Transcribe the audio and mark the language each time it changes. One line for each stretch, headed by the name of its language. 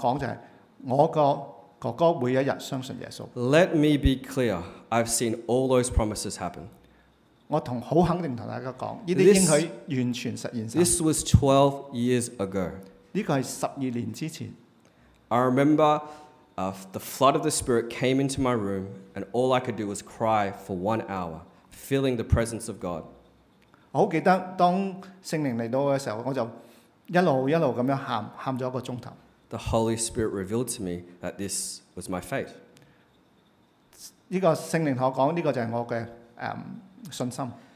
Chinese: 不單止這樣,他會跟我說,我的哥哥會有一天相信耶穌。
English: Let me be clear, I've seen all those promises happen.
Chinese: 我很肯定跟大家說,這些應許完全實現了。
English: This was 12 years ago.
Chinese: 這是12年之前。
English: I remember the flood of the Spirit came into my room, and all I could do was cry for 1 hour, feeling the presence of God.
Chinese: 我很記得,當聖靈來到的時候,我就一路一路地哭,哭了一個小時。
English: The Holy Spirit revealed to me that this was my faith.
Chinese: 這個聖靈跟我說,這個就是我的信心。